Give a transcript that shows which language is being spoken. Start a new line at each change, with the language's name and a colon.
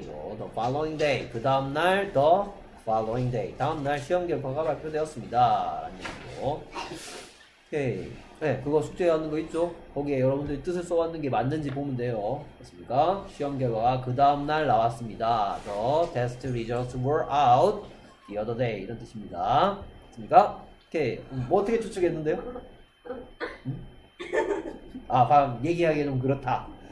English: The following day.
Korean: 그 다음 날
English: the following day.
Korean: 다음 날 시험 결과가 발표되었습니다. 라는 얘기고. 오케이. 네, 그거 숙제하는 거 있죠? 거기에 여러분들이 뜻을 써왔는 게 맞는지 보면 돼요. 맞습니까? 시험 결과가 그 다음날 나왔습니다.
English: The test results were out the other day.
Korean: 이런 뜻입니다. 맞습니까? 오케이. 뭐 어떻게 추측했는데요? 아, 방금 얘기하기에 좀 그렇다.